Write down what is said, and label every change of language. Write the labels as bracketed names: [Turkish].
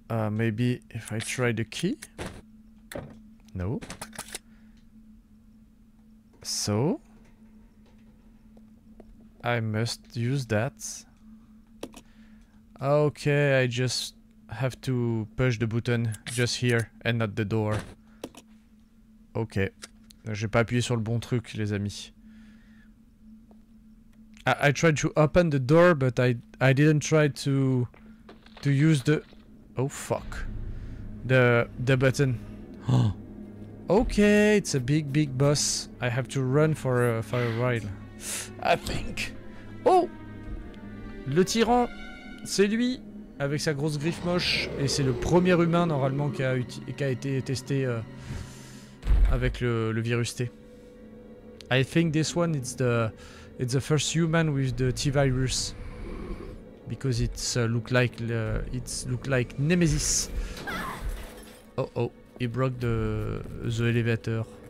[English] Maybe if I try the key. No. So I must use that. Okay, I just have to push the button just here and not the door. Okay. [French] J'ai pas appuyé sur le bon truc, les amis. [English] I tried to open the door, but I didn't try to use the... Oh, fuck. The button. Okay, it's a big, big boss. I have to run for a while. I think. Oh! [French] Le tyran, c'est lui, avec sa grosse griffe moche. Et c'est le premier humain, normalement, qui a été testé avec le virus T. [English] I think this one, it's the first human with the T-virus. Because it's look like Nemesis. Oh oh, he broke the elevator.